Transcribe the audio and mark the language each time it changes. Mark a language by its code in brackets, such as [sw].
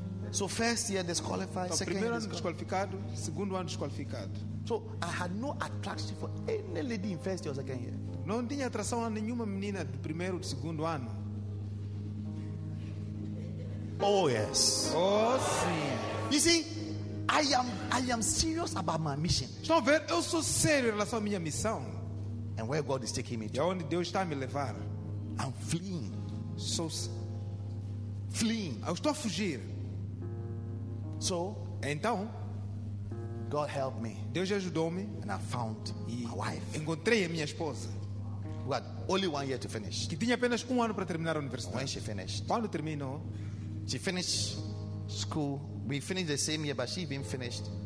[en] So first year disqualified, so [pt] primeiro ano desqualificado, segundo ano desqualificado. [en] So I had no attraction for any lady in first year or second year. [pt] Não tinha atração a nenhuma menina do primeiro ou do segundo ano. [en] Oh yes. [pt] Oh sim. [en] You see, I am serious about my mission. [pt] Estão a ver? Eu sou sério em relação à minha missão. [en] And where God is taking me to. [pt] E aonde Deus está a me levar? [en] I'm fleeing. So, fleeing. [pt] Eu estou a fugir. [en] So, [pt] então, [en] God helped me. [pt] Deus ajudou-me. [en] And I found my wife. [pt] Encontrei a minha esposa. [en] Who had only 1 year to finish. [pt] Que tinha apenas 1 ano para terminar a universidade. [en] When she finished. [pt] Quando terminou? [en] She finished school. We finished the same year, but she even finished.